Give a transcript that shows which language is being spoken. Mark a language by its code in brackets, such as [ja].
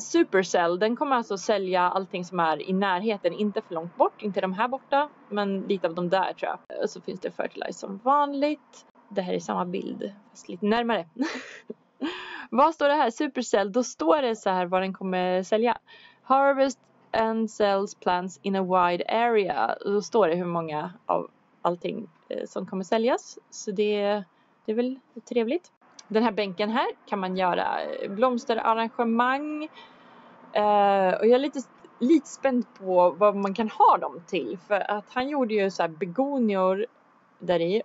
[sv] Supercell, den kommer alltså sälja allting som är i närheten. Inte för långt bort, inte de här borta. Men lite av de där tror jag. Och så finns det Fertilize som vanligt. Det här är samma bild, fast lite närmare. Vad står det här? Supercell, då står det så här vad den kommer sälja. [en] Harvest and sells plants in a wide area. [sv] Då står det hur många av allting som kommer säljas. Så det är väl trevligt. Den här bänken här kan man göra blomsterarrangemang. Och jag är lite spänd på vad man kan ha dem till. För att han gjorde ju så här begonior där i.